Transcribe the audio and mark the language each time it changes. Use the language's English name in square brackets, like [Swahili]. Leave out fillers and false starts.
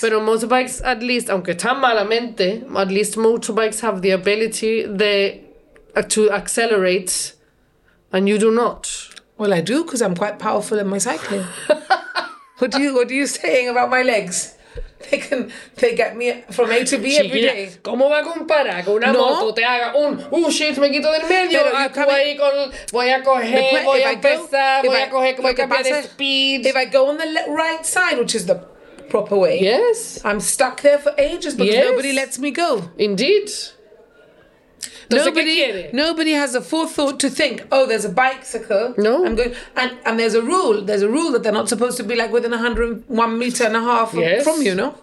[English] But motorbikes, at least, [Spanish] aunque tan malamente, [English] at least motorbikes have the ability to accelerate, and you do not. Well, I do, because I'm quite powerful in my cycling. What are you saying about my legs? They get me from A to B every day. [Spanish] ¿Cómo va a comparar con una moto? Te haga un, shit, me quito del medio. Pero tú ahí con, voy a cambiar de speed. [English] If I go on the right side, which is the proper way. Yes. I'm stuck there for ages because nobody lets me go. Indeed. Nobody has a forethought to think, oh, there's a bicycle. No. I'm going, and there's a rule that they're not supposed to be like within 101 meter and a half from you, no?